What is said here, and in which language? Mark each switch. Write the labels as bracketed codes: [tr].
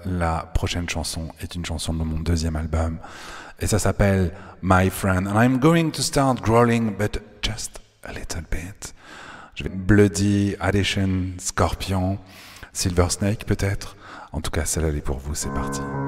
[fr] La prochaine chanson est une chanson de mon deuxième album. Et ça s'appelle My Friend. [en] And I'm going to start growling, but just a little bit. [fr] Je vais Bloody, Addition, Scorpion, Silver Snake peut-être. En tout cas, celle-là est pour vous, c'est parti.